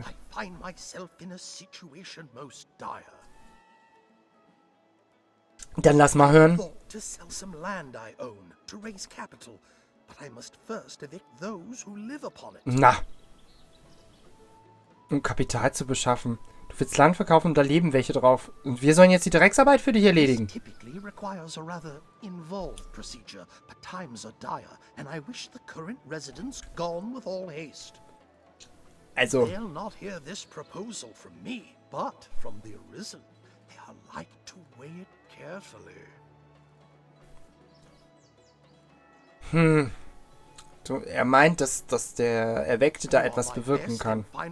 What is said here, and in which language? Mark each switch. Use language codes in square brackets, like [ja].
[en] I find myself in a situation most dire. [de] Dann lass mal hören. [en] To sell some land I own, to raise capital. But I must first evict those who live upon it. Na. [de] Um Kapital zu beschaffen. Du willst Land verkaufen und da leben welche drauf. Und wir sollen jetzt die Drecksarbeit für dich erledigen. [en] This typically requires a rather involved procedure, but times are dire, and I wish the current residents gone with all haste. Also. They'll not hear this proposal from me, but from the Arisen. They are like to weigh it carefully. [de] So, er meint, dass der Erweckte da etwas bewirken kann.